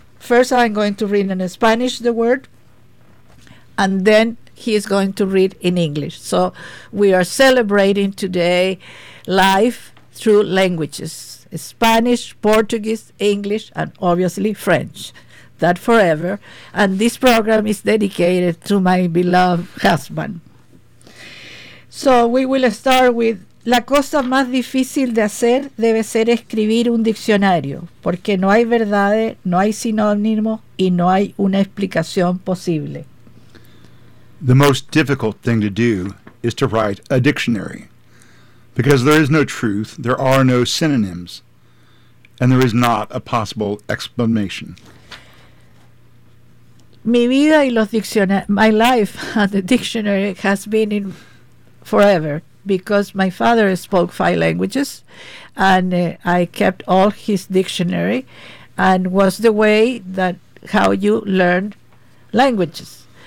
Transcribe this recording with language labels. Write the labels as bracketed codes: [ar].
[en] First, I'm going to read in Spanish the word, and then he is going to read in English. So we are celebrating today life through languages, Spanish, Portuguese, English, and obviously French, that forever. And this program is dedicated to my beloved husband. So we will start with, [es] la cosa más difícil de hacer debe ser escribir un diccionario, porque no hay verdades, no hay sinónimos y no hay una explicación posible. [en] The most difficult thing to do is to write a dictionary, because there is no truth, there are no synonyms, and there is not a possible explanation. [es] Mi vida y los diccionarios, [en] my life and the dictionary has been in forever because my father spoke 5 languages and I kept all his dictionary and was the way that how you learned languages.